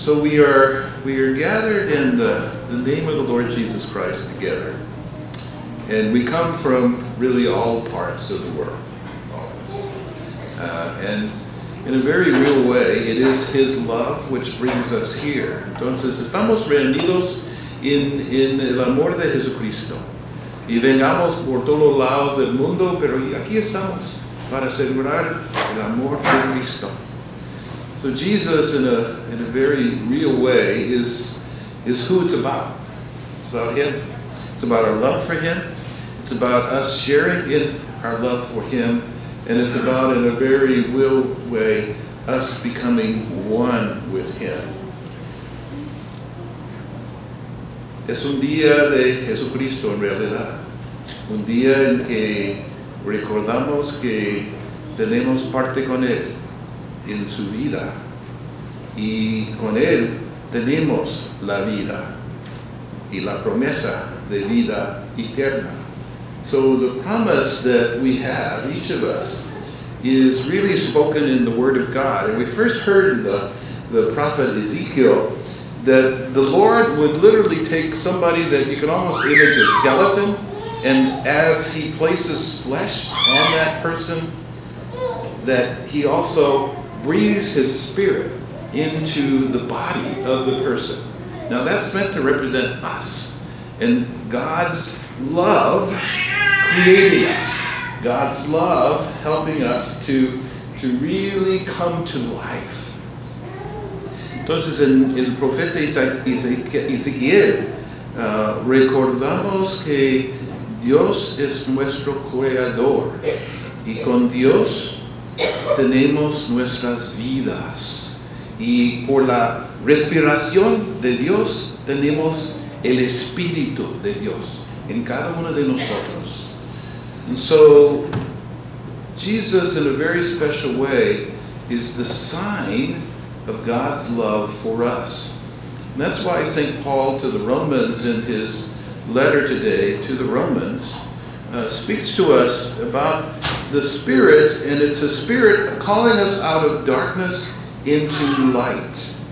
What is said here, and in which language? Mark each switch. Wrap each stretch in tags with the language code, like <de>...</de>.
<en>So we are gathered in the name of the Lord Jesus Christ together. And we come from really all parts of the world, all of us. And in a very real way, it is His love which brings us here.</en> <es>Entonces, estamos reunidos en el amor de Jesucristo. Y vengamos por todos los lados del mundo, pero aquí estamos para celebrar el amor de Cristo.</es> <en>So Jesus, in a very real way, is who it's about. It's about Him. It's about our love for Him. It's about us sharing in our love for Him. And it's about, in a very real way, us becoming one with Him.</en> <es>Es un día de Jesucristo, en realidad. Un día en que recordamos que tenemos parte con Él en su vida. Y con Él tenemos la vida y la promesa de vida eterna.</es> <en>So the promise that we have, each of us, is really spoken in the Word of God. And we first heard in the prophet Ezekiel that the Lord would literally take somebody that you can almost image a skeleton, and as He places flesh on that person, that He also breathes His spirit into the body of the person. Now that's meant to represent us and God's love creating us. God's love helping us to really come to life.</en> <es>Entonces en el profeta Ezequiel recordamos que Dios es nuestro creador y con Dios tenemos nuestras vidas. Y por la respiración de Dios, tenemos el Espíritu de Dios en cada uno de nosotros.</es> <en>And so, Jesus, in a very special way, is the sign of God's love for us. And that's why St. Paul to the Romans, in his letter today to the Romans, speaks to us about the Spirit, and it's a Spirit calling us out of darkness into light.</en>